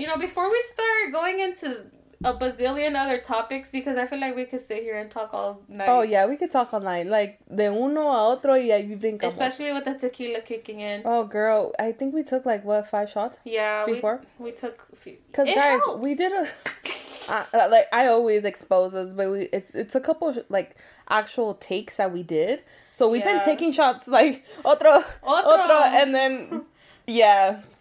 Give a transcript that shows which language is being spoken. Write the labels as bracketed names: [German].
[English] You know, before we start going into a bazillion other topics, because I feel like we could sit here and talk all night. Oh, yeah, we could talk all night. [Spanish] Like, de uno a otro y ahí brincamos. [English] Especially with the tequila kicking in. Oh, girl, I think we took, like, what, 5 shots? Yeah, before? We took a few. Because, guys, helps. We did a... I always expose us, but it's a couple of, like, actual takes that we did. So we've been taking shots, like, otro, and then, yeah.